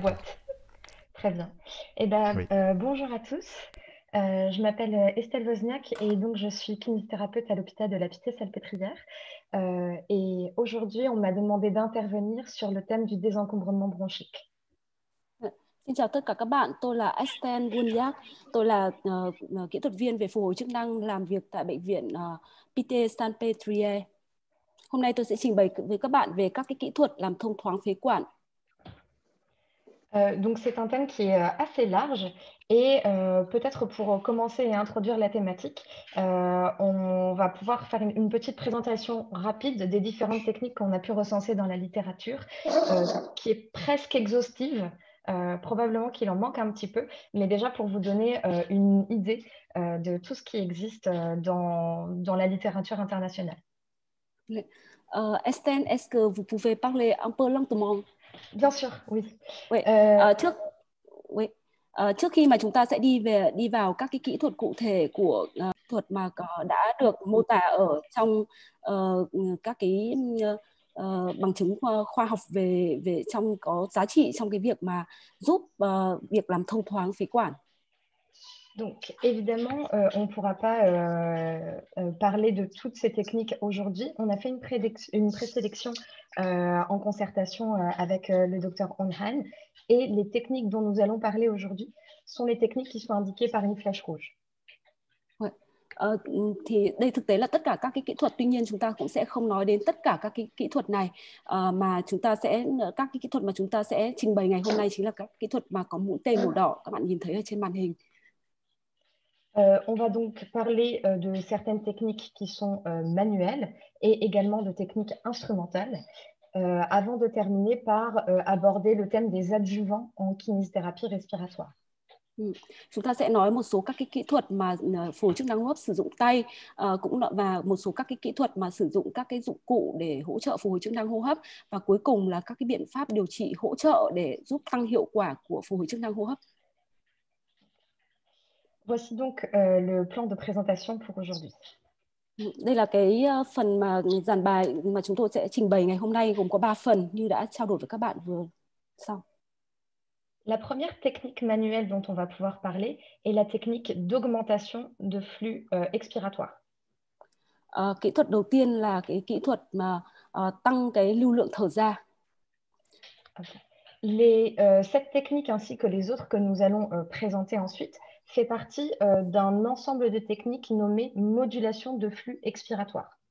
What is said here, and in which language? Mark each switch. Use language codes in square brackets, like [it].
[fr] boîte. Très bien. Eh bien, Oui. bonjour à tous. Je m'appelle Estelle Wozniak et donc je suis kinésithérapeute à l'hôpital de la Pitié-Salpêtrière. Et aujourd'hui, on m'a demandé d'intervenir sur le thème du désencombrement bronchique. [vi] Xin chào tất cả các bạn, tôi là Esten Gunyak, tôi là kỹ thuật viên về phục hồi chức năng làm việc tại bệnh viện Pitié-Salpêtrière. Hôm nay tôi sẽ trình bày với các bạn về các cái kỹ thuật làm thông thoáng phế quản. [fr] Donc c'est un thème qui est assez large et peut-être pour commencer et introduire la thématique, on va pouvoir faire une petite présentation rapide des différentes techniques qu'on a pu recenser dans la littérature, qui est presque exhaustive, probablement qu'il en manque un petit peu, mais déjà pour vous donner une idée de tout ce qui existe dans la littérature internationale. Esten, est-ce que vous pouvez parler un peu lentement? Bien sûr, oui. Oui, [vi] trước khi mà chúng ta sẽ đi vào các cái kỹ thuật cụ thể của thuật mà đã được mô tả ở trong các cái bằng chứng khoa học về về trong có giá trị trong cái việc mà giúp việc làm thông thoáng phế quản. [fr] Donc, évidemment, on ne pourra pas parler de toutes ces techniques aujourd'hui. On a fait une présélection en concertation avec le docteur Onhan. Et les techniques dont nous allons parler aujourd'hui sont les techniques qui sont indiquées par une flèche rouge. [vi] Thì đây thực tế là tất cả các cái kỹ thuật, tuy nhiên chúng ta cũng sẽ không nói đến tất cả các cái kỹ thuật này mà chúng ta sẽ các cái kỹ thuật mà chúng ta sẽ trình bày ngày hôm nay chính là các kỹ thuật mà có mũi tên màu đỏ, các bạn nhìn thấy ở trên màn hình. [fr] On va donc parler de certaines techniques qui sont manuelles et également de techniques instrumentales, avant de terminer par aborder le thème des adjuvants en kinésithérapie respiratoire. [vi] Chúng ta sẽ nói một số các cái kỹ thuật mà phục hồi chức năng hô hấp sử dụng tay cũng và một số các cái kỹ thuật mà sử dụng các cái dụng cụ để hỗ trợ phục hồi chức năng hô hấp và cuối cùng là các cái biện pháp điều trị hỗ trợ để giúp tăng hiệu quả của phục hồi chức năng hô hấp. [fr] Voici donc le plan de présentation pour aujourd'hui. [vi] Đây là cái phần mà dàn bài mà chúng tôi sẽ trình bày ngày hôm nay gồm có 3 phần như đã trao đổi với các bạn vừa xong. [fr] La première technique manuelle dont on va pouvoir parler est la technique d'augmentation de flux expiratoire. [vi] Kỹ thuật đầu tiên là cái kỹ thuật mà tăng cái lưu lượng thở ra. [fr] Cette technique ainsi que les autres que nous allons présenter ensuite fait partie d'un ensemble de techniques nommées modulation de flux expiratoire.